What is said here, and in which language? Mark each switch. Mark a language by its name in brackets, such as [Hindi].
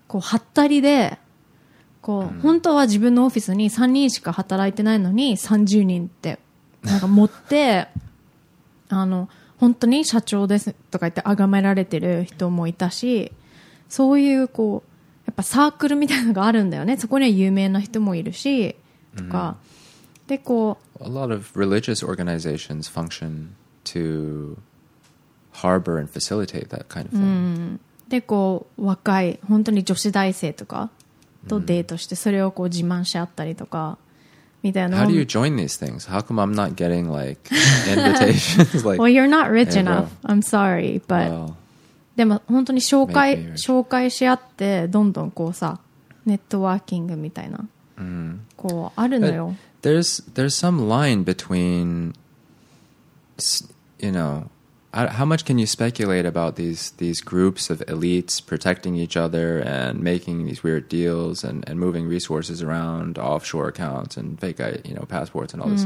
[Japanese] こうはったりでこう、うん、本当は自分のオフィスに3人しか働いてないのに30人ってなんか持ってあの本当に社長ですとか言って崇められてる人もいたし、そういうこうやっぱサークルみたいなのがあるんだよね、そこには有名な人もいるしとか、うん、でこう [English] A lot of religious organizations function toharbor and facilitate that kind of thing、 [Japanese] うん、でこう若い本当に女子大生とかとデートして、うん、それをこう自慢し合ったりとかみたいな。 [English] How do you join these things? How come I'm not getting like invitations? Like, well you're not rich enough、hey、I'm sorry but、well, [Japanese] でも本当に紹介、 [English] maybe. [Japanese] 紹介し合ってどんどんこうさネットワーキングみたいな、 mm. こうあるのよ。 [English] There's some line between you knowHow much can you speculate about these groups of elites protecting each other and making these weird deals and moving resources around, offshore accounts and fake, you know, passports and all this.、